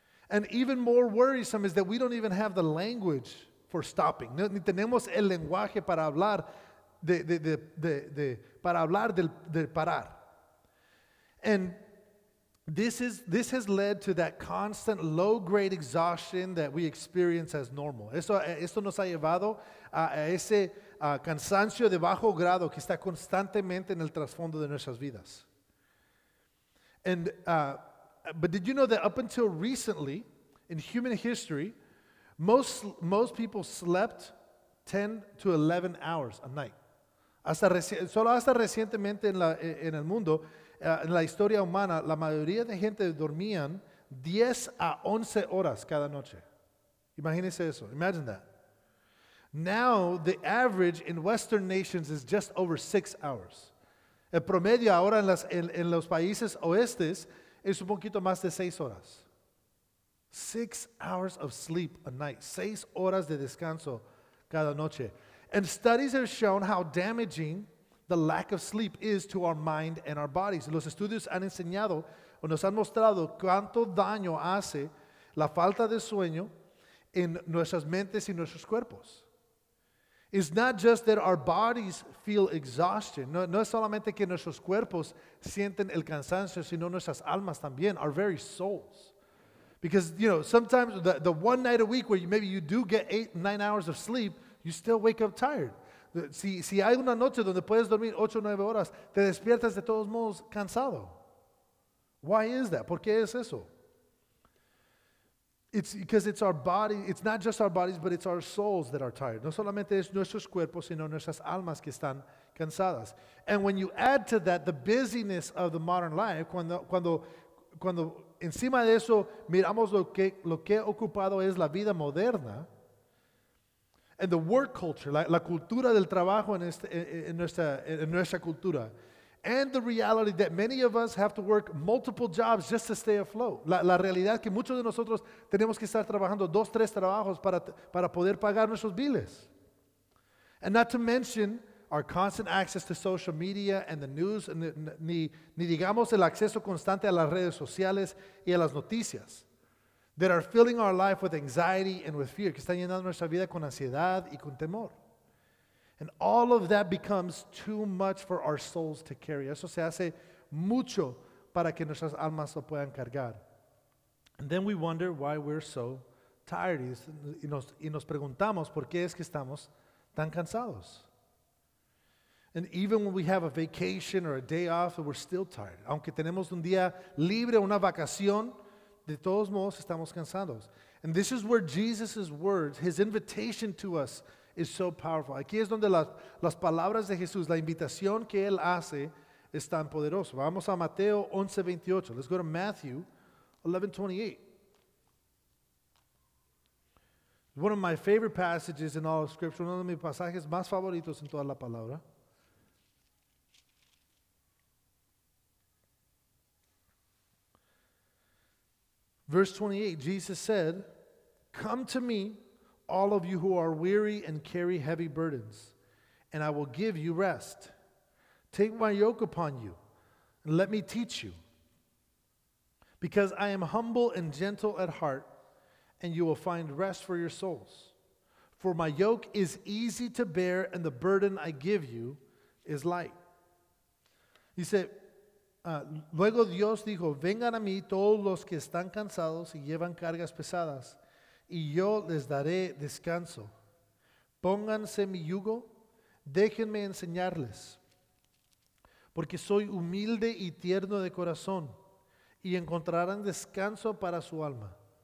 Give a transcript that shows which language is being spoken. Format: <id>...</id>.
<en>And even more worrisome is that we don't even have the language for stopping.</en> <es>Ni tenemos el lenguaje para hablar de parar.</es> <en>And this has led to that constant low-grade exhaustion that we experience as normal.</en> <es>Esto nos ha llevado a ese cansancio de bajo grado que está constantemente en el trasfondo de nuestras vidas.</es> <en>But did you know that up until recently, in human history, most people slept 10 to 11 hours a night.</en> <es>Solo hasta recientemente en el mundo, en la historia humana, la mayoría de gente dormían 10 a 11 horas cada noche. Imagínese eso.</es> <en>Imagine that. Now, the average in Western nations is just over 6 hours.</en> <es>El promedio ahora en los países oestes es un poquito más de 6 horas.</es> <en>6 hours of sleep a night.</en> <es>6 horas de descanso cada noche.</es> <en>And studies have shown how damaging the lack of sleep is to our mind and our bodies.</en> <es>Los estudios han enseñado o nos han mostrado cuánto daño hace la falta de sueño en nuestras mentes y nuestros cuerpos.</es> <en>It's not just that our bodies feel exhaustion.</en> <es>No es solamente que nuestros cuerpos sienten el cansancio, sino nuestras almas también,</es> <en>our very souls. Because, you know, sometimes the one night a week where maybe you do get 8-9 hours of sleep, you still wake up tired.</en> <es>Si hay una noche donde puedes dormir 8-9 horas, te despiertas de todos modos cansado.</es> <en>Why is that?</en> <es>¿Por qué es eso?</es> <en>It's because it's our body, it's not just our bodies, but it's our souls that are tired.</en> <es>No solamente es nuestros cuerpos, sino nuestras almas que están cansadas.</es> <en>And when you add to that the busyness of the modern life,</en> <es>cuando encima de eso miramos lo que ocupado es la vida moderna,</es> <en>and the work culture,</en> <es>la cultura del trabajo en nuestra cultura,</es> <en>and the reality that many of us have to work multiple jobs just to stay afloat.</en> <es>La realidad que muchos de nosotros tenemos que estar trabajando 2-3 trabajos para poder pagar nuestros biles.</es> <en>And not to mention our constant access to social media and the news, and</en> <es>ni digamos el acceso constante a las redes sociales y a las noticias,</es> <en>that are filling our life with anxiety and with fear,</en> <es>que están llenando nuestra vida con ansiedad y con temor.</es> <en>And all of that becomes too much for our souls to carry.</en> <es>Eso se hace mucho para que nuestras almas lo puedan cargar.</es> <en>And then we wonder why we're so tired.</en> <es>Y nos preguntamos por qué es que estamos tan cansados.</es> <en>And even when we have a vacation or a day off, we're still tired.</en> <es>Aunque tenemos un día libre, una vacación, de todos modos estamos cansados.</es> <en>And this is where Jesus' words, his invitation to us, is so powerful.</en> <es>Aquí es donde las palabras de Jesús, la invitación que Él hace, es tan poderoso. Vamos a Mateo 11:28.</es> <en>Let's go to Matthew 11:28. One of my favorite passages in all of Scripture,</en> <es>uno de mis pasajes más favoritos en toda la palabra.</es> <en>Verse 28, Jesus said, "Come to me, all of you who are weary and carry heavy burdens, and I will give you rest. Take my yoke upon you, and let me teach you. Because I am humble and gentle at heart, and you will find rest for your souls. For my yoke is easy to bear, and the burden I give you is light."</en> <es>Dice, luego Dios dijo, "Vengan a mí todos los que están cansados y llevan cargas pesadas, y yo les daré descanso. Pónganse mi yugo, déjenme enseñarles. Porque soy humilde y tierno de corazón, y encontrarán descanso para su alma.</es>